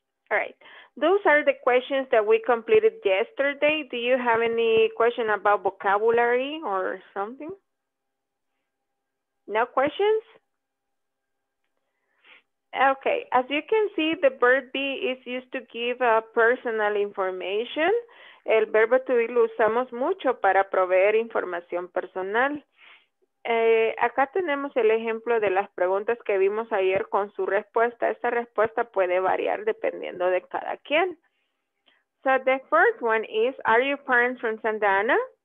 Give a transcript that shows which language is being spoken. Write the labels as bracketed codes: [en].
[en] All right, those are the questions that we completed yesterday. Do you have any question about vocabulary or something? No questions? Okay, as you can see, the verb be is used to give personal information. [es] El verbo to be lo usamos mucho para proveer información personal. Acá tenemos el ejemplo de las preguntas que vimos ayer con su respuesta. Esta respuesta puede variar dependiendo de cada quien. [en] So the first one is, are your parents from Santa Ana?